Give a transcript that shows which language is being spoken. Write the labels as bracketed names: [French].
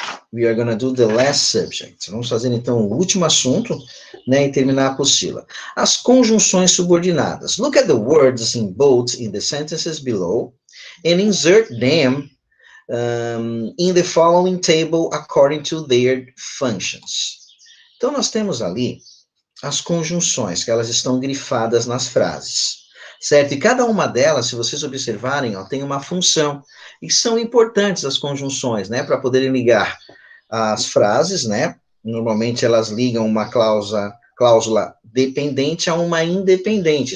[English] We are going to do the last subject. [Portuguese] Vamos fazer, então, o último assunto, né, e terminar a apostila. As conjunções subordinadas. [English] Look at the words in bold in the sentences below and insert them in the following table according to their functions. [Portuguese] Então, nós temos ali as conjunções, que elas estão grifadas nas frases, certo? E cada uma delas, se vocês observarem, ó, tem uma função. E são importantes as conjunções, né? Para poderem ligar as frases, né? Normalmente elas ligam uma cláusula dependente a uma independente.